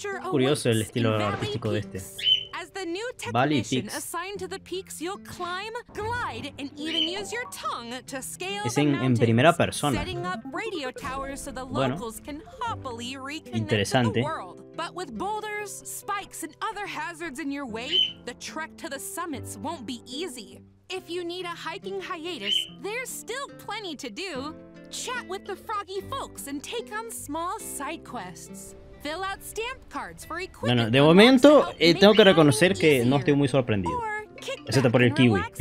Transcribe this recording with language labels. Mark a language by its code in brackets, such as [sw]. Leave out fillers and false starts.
[es] Curioso el estilo artístico de este. [en] As the new technician assigned to the peaks, you'll climb, glide, and even use your tongue to scale the mountains, setting up radio towers so the locals can happily reconnect to the world. But with boulders, spikes, and other hazards in your way, the trek to the summits won't be easy. If you need a hiking hiatus, there's still plenty to do. Chat with the froggy folks and take on small side quests. Fill out stamp cards for equipment. [es] Bueno, de momento tengo que reconocer que no estoy muy sorprendido. Excepto por el kiwi.